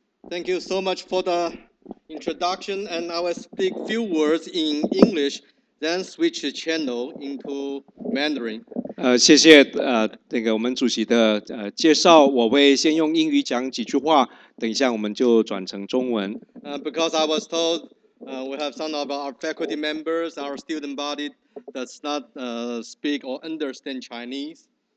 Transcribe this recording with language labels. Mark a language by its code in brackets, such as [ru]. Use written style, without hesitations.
[en] Thank you so much for the introduction, and I will speak few words in English, then switch the channel into Mandarin. [zh] 谢谢那个我们主席的介绍，我会先用英语讲几句话，等一下我们就转成中文。 [en] Because I was told we have some of our faculty members, our student body does not speak or understand Chinese.